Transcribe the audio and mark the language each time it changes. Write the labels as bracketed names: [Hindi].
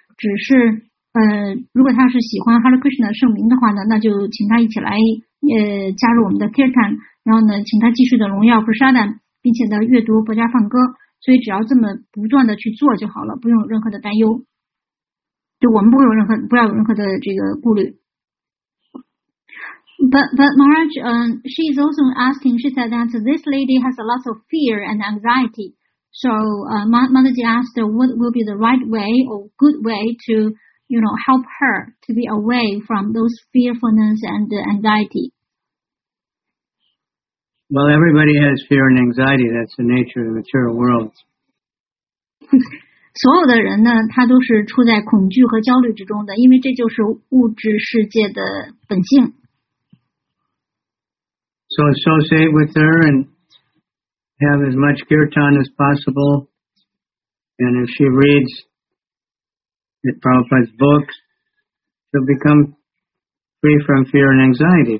[Chinese] 只是如果他是喜欢 Hare Krishna 的圣名的话呢，那就请他一起来加入我们的 Kirtan， 然后呢，请他继续的荣耀 Prasadam， 并且呢阅读佛家梵歌。所以只要这么不断的去做就好了，不用有任何的担忧，就我们不会有任何，不要有任何的这个顾虑。 [English] But Maharaj, she is also asking. She said that this lady has a lot of fear and anxiety. So, Mataji asked her what will be the right way or good way to, you know, help her to be away from those fearfulness and anxiety. Well, everybody has fear and anxiety. That's the nature of the material world. [Chinese] 所有的人呢，他都是处在恐惧和焦虑之中的，因为这就是物质世界的本性。 [English] So associate with her and have as much kirtan as possible. And if she reads the Prabhupada's books, she'll become free from fear and anxiety.